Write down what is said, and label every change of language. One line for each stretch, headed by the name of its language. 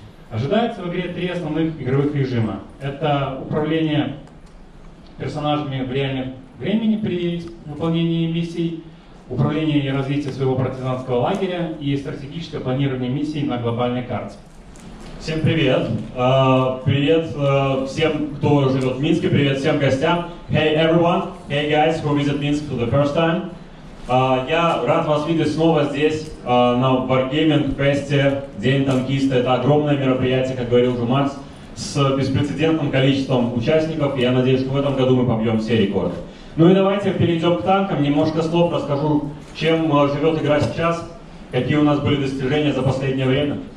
Russian: Ожидается в игре три основных игровых режима. Это управление персонажами в реальном времени при выполнении миссий, управление и развитие своего партизанского лагеря и стратегическое планирование миссий на глобальной карте. Всем привет! Привет всем, кто живет в Минске, привет всем гостям!
English: Hey everyone! Hey guys who visit Minsk for the first time!
Russian: Я рад вас видеть снова здесь, на Wargaming Fest, День танкиста. Это огромное мероприятие, как говорил уже Макс, с беспрецедентным количеством участников, и я надеюсь, что в этом году мы побьем все рекорды. Ну и давайте перейдем к танкам. Немножко слов расскажу, чем живет игра сейчас, какие у нас были достижения за последнее время.